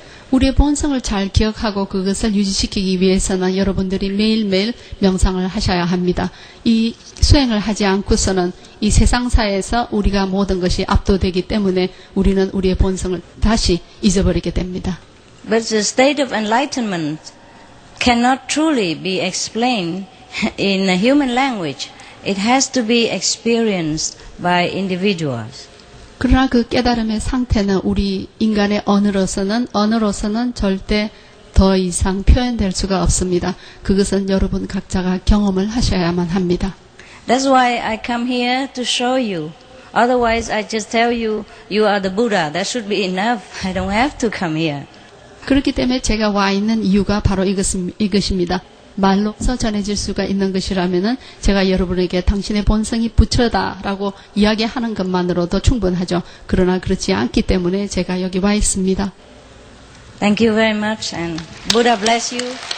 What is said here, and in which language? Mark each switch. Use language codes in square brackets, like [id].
[ko] 우리의 본성을 잘 기억하고 그것을 유지시키기 위해서는 여러분들이 매일매일 명상을 하셔야 합니다. 이 수행을 하지 않고서는 이 세상사에서 우리가 모든 것이 압도되기 때문에 우리는 우리의 본성을 다시 잊어버리게 됩니다. [en] But the state of enlightenment cannot truly be explained in a human language. It has to be experienced by individuals. [ko] 그러나 그 깨달음의 상태는 우리 인간의 언어로서는 절대 더 이상 표현될 수가 없습니다. 그것은 여러분 각자가 경험을 하셔야만 합니다. [en] That's why I come here to show you. Otherwise, I just tell you, you are the Buddha. That should be enough. I don't have to come here. [ko] 그렇기 때문에 제가 와 있는 이유가 바로 이것입니다. 말로서 전해질 수가 있는 것이라면은 제가 여러분에게 당신의 본성이 부처다라고 이야기하는 것만으로도 충분하죠. 그러나 그렇지 않기 때문에 제가 여기 와 있습니다. [en] Thank you very much and Buddha bless you.